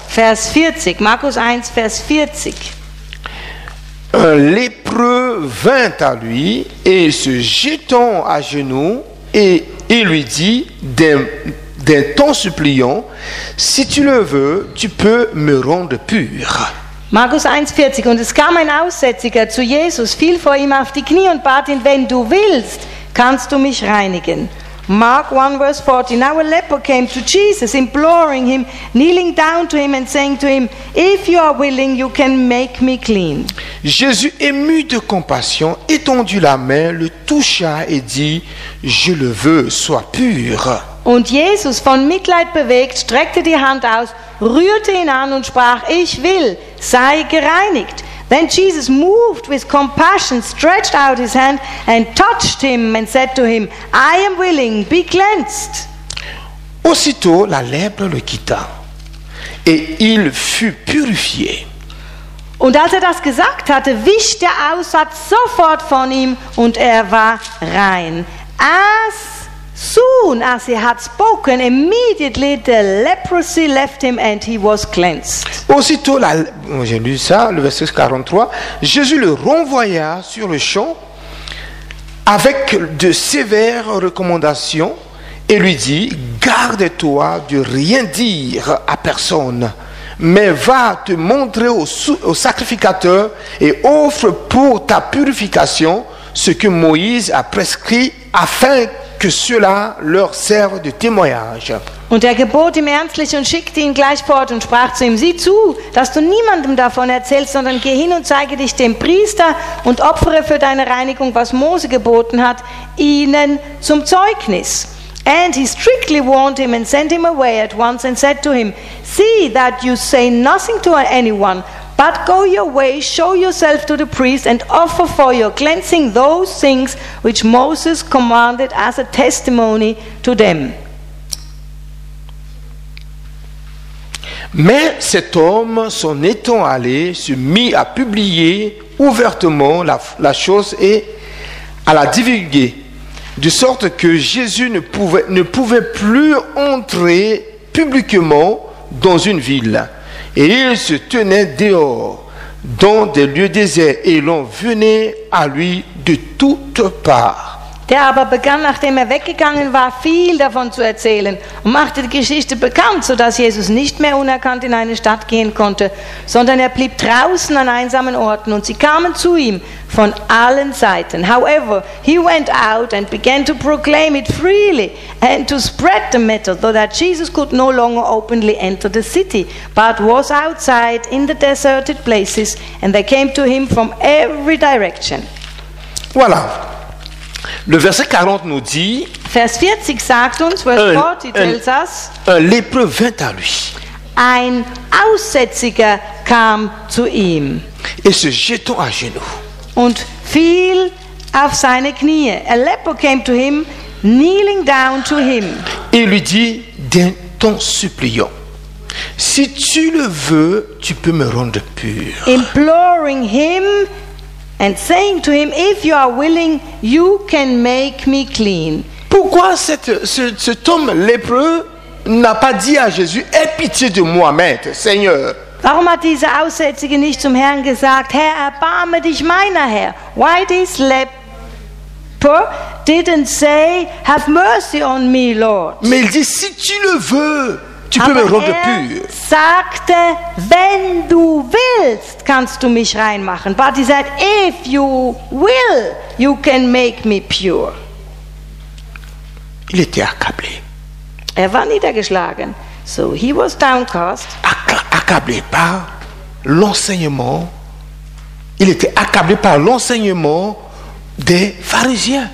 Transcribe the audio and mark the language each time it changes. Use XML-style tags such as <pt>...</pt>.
<de>Vers 40, Markus 1, vers 40.</de> <fr>Un lépreux vint à lui et se jetant à genoux, et il lui dit d'un ton suppliant, si tu le veux, tu peux me rendre pur.</fr> <de>Markus 1, 40. Und es kam ein Aussätziger zu Jesus, fiel vor ihm auf die Knie und bat ihn, wenn du willst, kannst du mich reinigen.</de> <en>Mark 1 verse 40, now a leper came to Jesus, imploring him, kneeling down to him and saying to him, if you are willing, you can make me clean.</en> <fr>Jésus, ému de compassion, étendit la main, le toucha et dit, je le veux, sois pur.</fr> <de>Und Jesus, von Mitleid bewegt, streckte die Hand aus, rührte ihn an und sprach, ich will, sei gereinigt.</de> <en>Then Jesus, moved with compassion, stretched out his hand and touched him and said to him, I am willing, be cleansed.</en> <fr>Aussitôt, la lèpre le quitta et il fut purifié.</fr> <de>Und als das gesagt hatte, wich der Aussatz sofort von ihm und war rein.</de> <en>As soon as he had spoken, immediately the leprosy left him and he was cleansed.</en> <fr>Aussitôt, j'ai lu ça, le verset 43, Jésus le renvoya sur le champ avec de sévères recommandations et lui dit, garde-toi de rien dire à personne, mais va te montrer au sacrificateur et offre pour ta purification ce que Moïse a prescrit afin que cela leur serve de témoignage.</fr> <de>Und gebot ihm ernstlich und schickte ihn gleich fort und sprach zu ihm, sieh zu, dass du niemandem davon erzählst, sondern geh hin und zeige dich dem Priester und opfere für deine Reinigung, was Mose geboten hat, ihnen zum Zeugnis.</de> <en>And he strictly warned him and sent him away at once and said to him, see that you say nothing to anyone, but go your way, show yourself to the priest and offer for your cleansing those things which Moses commanded as a testimony to them.</en> <fr>Mais cet homme, s'en étant allé, se mit à publier ouvertement la chose et à la divulguer, de sorte que Jésus ne pouvait plus entrer publiquement dans une ville. Et il se tenait dehors, dans des lieux déserts, et l'on venait à lui de toutes parts.</fr> <de>Der aber begann, nachdem er weggegangen war, viel davon zu erzählen und machte die Geschichte bekannt, sodass Jesus nicht mehr unerkannt in eine Stadt gehen konnte, sondern er blieb draußen an einsamen Orten und sie kamen zu ihm von allen Seiten.</de> <en>However, he went out and began to proclaim it freely and to spread the matter, so that Jesus could no longer openly enter the city, but was outside in the deserted places and they came to him from every direction.</en> <fr>Voilà. Le verset 40 nous dit,</fr> <de>Vers 40 sagt uns,</de> <en>verse 40 tells us,</en> <fr>un lépreux vint à lui.</fr> <de>Ein Aussätziger kam zu ihm.</de> <fr>Et se jetant à genoux.</fr> <de>Und fiel auf seine Knie.</de> <en>A leper came to him, kneeling down to him.</en> <fr>Et lui dit d'un ton suppliant, si tu le veux, tu peux me rendre pur.</fr> <en>Imploring him and saying to him, if you are willing, you can make me clean.</en> <fr>Pourquoi cet homme lépreux n'a pas dit à Jésus, aie pitié de moi, maître, Seigneur?</fr> <de>Warum hat dieser Aussätzige nicht zum Herrn gesagt, Herr, erbarme dich meiner Herr?</de> <en>Why this leper didn't say, have mercy on me, Lord?</en> <fr>Mais il dit, si tu le veux, tu</fr> <de>Aber</de> <fr>peux me rendre pur.</fr> <de>Sagte, wenn du willst, kannst du mich reinmachen.</de> <en>But he said, if you will, you can make me pure.</en> <fr>Il était accablé.</fr> <de>Er war niedergeschlagen.</de> <en>So he was downcast.</en> <fr>Accablé par l'enseignement. Il était accablé par l'enseignement des pharisiens.</fr>